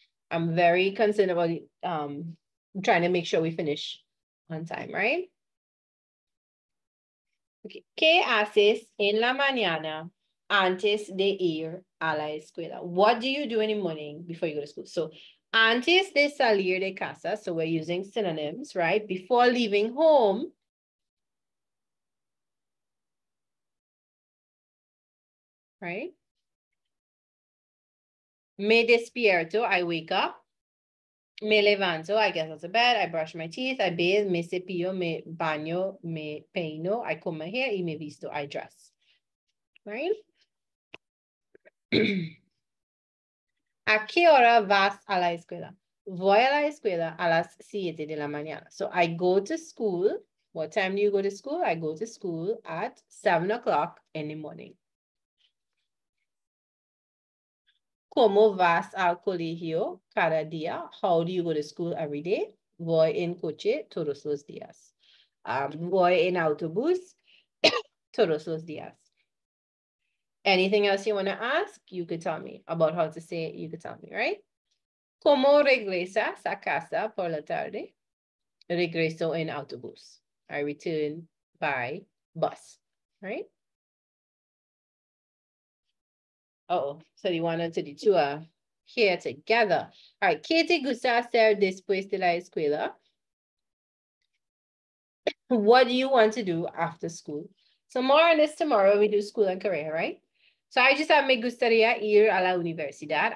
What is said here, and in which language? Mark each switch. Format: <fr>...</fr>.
<en>I'm very concerned about trying to make sure we finish on time, right? Okay.</en> <es>¿Qué haces en la mañana antes de ir a la escuela?</es> <en>What do you do in the morning before you go to school? So,</en> <es>antes de salir de casa,</es> <en>so we're using synonyms, right? Before leaving home, right?</en> <es>Me despierto,</es> <en>I wake up.</en> <es>Me levanto,</es> <en>I get out of bed, I brush my teeth, I bathe,</en> <es>me cepillo, me baño, me peino,</es> <en>I comb my hair,</en> <es>y me visto,</es> <en>I dress.</en> <es>Right? ¿A qué hora vas a la escuela? Voy a la escuela a las 7 de la mañana.</es> <en>So I go to school. What time do you go to school? I go to school at 7 o'clock in the morning.</en> <es>¿Cómo vas al colegio cada día?</es> <en>How do you go to school every day?</en> <es>Voy en coche todos los días. Voy en autobús todos los días.</es> <en>Anything else you want to ask, you could tell me about how to say it, you could tell me, right?</en> <es>¿Cómo regresas a casa por la tarde? Regreso en autobús.</es> <en>I return by bus, right? Oh, so the one and the two are here together.</en> <es>All right, ¿qué te gusta hacer después de la escuela?</es> <en>What do you want to do after school? Tomorrow is tomorrow, we do school and career, right? So I just have</en> <es>me gustaría ir a la universidad.</es>